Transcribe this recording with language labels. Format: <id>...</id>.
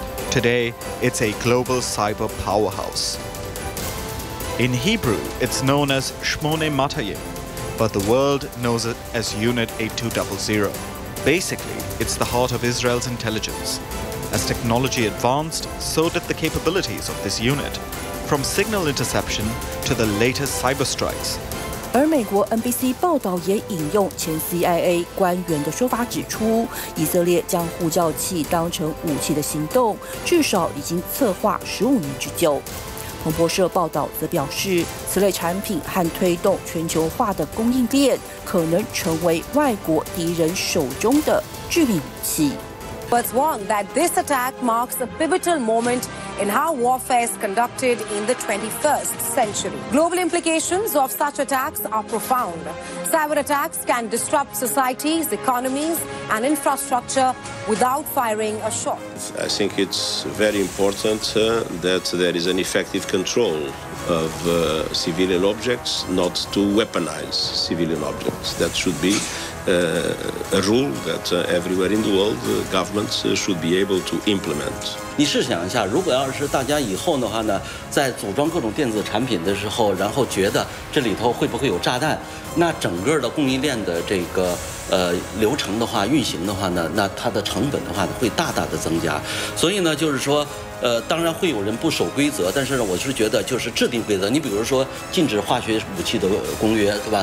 <en>Today, it's a global cyber powerhouse. In Hebrew, it's known as Shmoneh Matayim, But the world knows it as Unit 8200. Basically, it's the heart of Israel's intelligence. As technology advanced, so did the capabilities of this unit, from signal interception to the latest cyber strikes.</en> <zh>而美国 NBC 报道也引用前 CIA 官员的说法指出，以色列将呼叫器当成武器的行动，至少已经策划15年之久。彭博社报道则表示，此类产品和推动全球化的供应链，可能成为外国敌人手中的致命武器。</zh> <en>But warned that this attack marks a pivotal moment in how warfare is conducted in the 21st century. Global implications of such attacks are profound. Cyber attacks can disrupt societies, economies, and infrastructure without firing a shot. I think it's very important, that there is an effective control of, civilian objects, not to weaponize civilian objects. That should be, a rule that, everywhere in the world, governments, should be able to implement.</en> <zh>你试想一下，如果要是大家以后的话呢，在组装各种电子产品的时候，然后觉得这里头会不会有炸弹，那整个的供应链的这个流程的话，运行的话呢，那它的成本的话呢会大大的增加。所以呢，就是说，当然会有人不守规则，但是呢，我是觉得就是制定规则。你比如说禁止化学武器的公约，对吧？</zh>